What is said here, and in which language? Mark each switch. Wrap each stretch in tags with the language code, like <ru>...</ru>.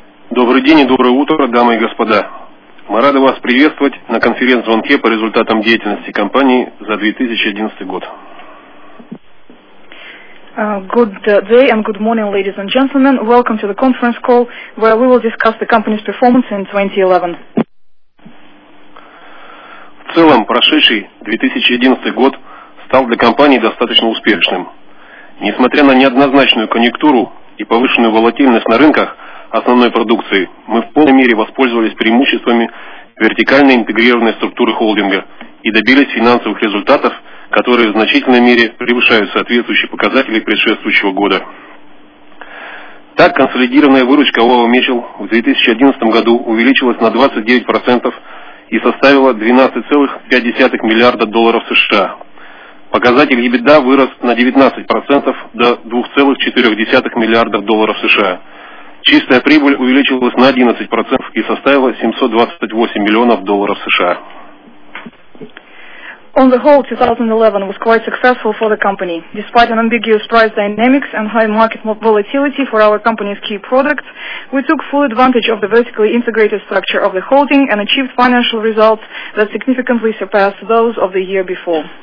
<ru>Добрый день и доброе утро, дамы и господа. Мы рады вас приветствовать на конференц-звонке по результатам деятельности компании за 2011 год.</ru> <en>Good day and good morning, ladies and gentlemen. Welcome to the conference call, where we will discuss the company's performance in 2011.</en> <ru>В целом, прошедший 2011 год стал для компании достаточно успешным. Несмотря на неоднозначную конъюнктуру и повышенную волатильность на рынках основной продукции, мы в полной мере воспользовались преимуществами вертикально интегрированной структуры холдинга и добились финансовых результатов, которые в значительной мере превышают соответствующие показатели предшествующего года. Так, консолидированная выручка ООО «Метро» в 2011 году увеличилась на 29% и составила $12.5 миллиарда США. Показатель EBITDA вырос на 19% до $2.4 миллиарда США. Чистая прибыль увеличилась на 11% и составила $728 миллионов США.</ru> <en>On the whole, 2011 was quite successful for the company. Despite an ambiguous price dynamics and high market volatility for our company's key products, we took full advantage of the vertically integrated structure of the holding and achieved financial results that significantly surpassed those of the year before.</en>